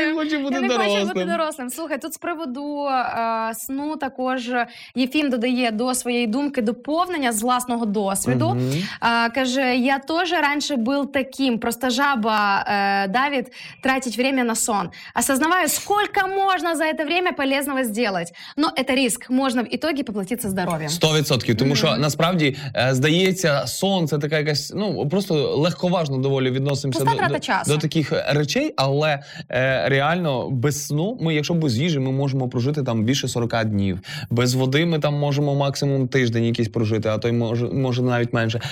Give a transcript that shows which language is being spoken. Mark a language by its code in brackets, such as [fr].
[uk] Я не хочу бути дорослим! Слухай, тут з приводу сну також Єфім додає до своєї думки доповнення з власного досвіду. Каже, я теж раніше був таким, просто [ru] жаба Давід тратить время на сон. Осознаваю, сколько можно за это время полезного сделать? Но это риск. Можно в итоге поплатиться здоровьем. 100%. [uk] Тому що, насправді, здається, сон – це така якась, просто легковажно доволі відносимося до таких речей, але реально без сну, якщо без їжі, ми можемо прожити там більше 40 днів. Без води ми там можемо максимум тиждень якийсь прожити, а то й може навіть менше.